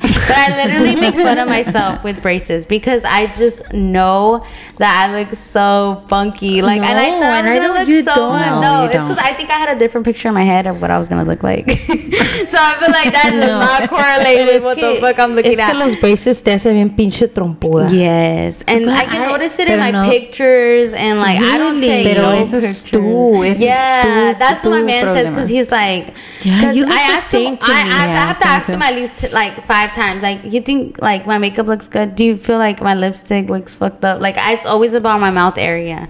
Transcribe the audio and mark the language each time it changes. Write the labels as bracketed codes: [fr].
[en] But I literally make fun of myself with braces because I just know that I look so funky. Like, no, and I thought I was going to look so. No, it's because I think I had a different picture in my head of what I was gonna look like. So I feel like that is not correlated with the book I'm looking at. [es] Es que los braces te hacen bien pinche trompuda. [en] Yes. And I can notice it in my pictures and like, really? I don't take [es] pero no eso es tú. Eso [en] yeah, [es] es tú, [en] that's what my man problema. Says because he's like, I have to ask him at least like 5 times. Like, you think like my makeup looks good? Do you feel like my lipstick looks fucked up? Like, it's always about my mouth area.